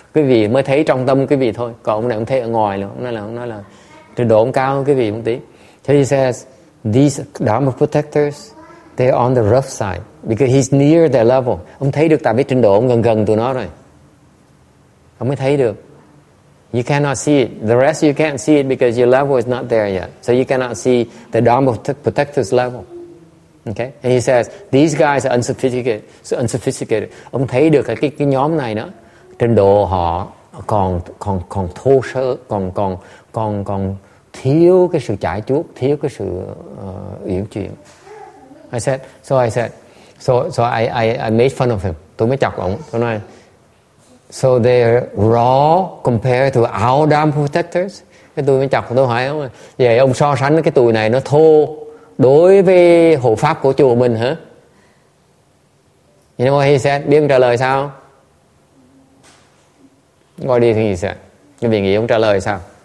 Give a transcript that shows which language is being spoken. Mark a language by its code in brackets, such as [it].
[vi] Quý vị mới thấy trong tâm quý vị thôi. Còn ông này ông thấy ở ngoài luôn. Ông nói là trình độ ông cao hơn quý vị một tí. [en] So he says, these Dharma protectors, they're on the rough side. Because he's near their level. [vi] Ông thấy được tại vì trình độ ông gần tụi nó rồi. Ông mới thấy được. [en] You cannot see it. The rest you can't see it because your level is not there yet. So you cannot see the Dharma protector's level. Okay? And he says, these guys are unsophisticated. So unsophisticated. [vi] Ông thấy được cái nhóm này đó, trình độ họ còn thô sơ, còn thiếu cái sự trải chuốt, thiếu cái sự uyển chuyển. [en] I made fun of him. [vi] Tôi mới chọc ông. Tôi nói, [en] so they're raw compared to our Dharma protectors. [vi] Cái tụi mới chọc, tôi hỏi ông, vậy ông so sánh cái tụi này nó thô đối với hộ pháp của chùa mình hả? [en] You know what he said? [vi] Biết ông trả lời sao? [en] What do you think he said? [vi] Cái vị nghĩ ông trả lời sao?